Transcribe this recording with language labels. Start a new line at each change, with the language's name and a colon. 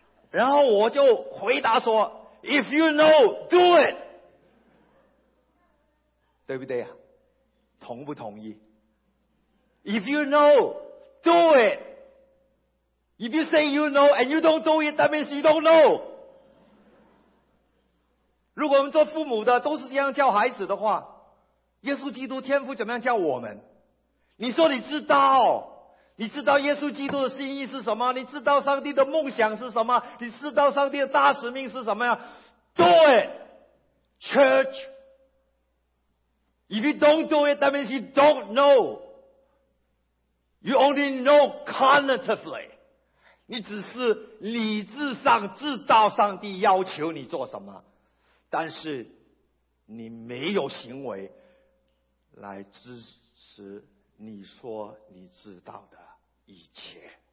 Chinese: 然后我就回答说 ,
English: If you know, do it.
Chinese: 对不对啊？同不同意 ?
English: If you know, do it. If you say you know and you don't do it, that means you don't know.
Chinese: 如果我们做父母的都是这样叫孩子的话，耶稣基督天父怎么样叫我们？你说你知道，你知道耶稣基督的心意是什么，你知道上帝的梦想是什么，你知道上帝的大使命是什么呀？
English: Do it, church. If you don't do it, that means you don't know. You only know cognitively.
Chinese: 你只是理智上知道上帝要求你做什么，但是你没有行为来支持你说你知道的一切。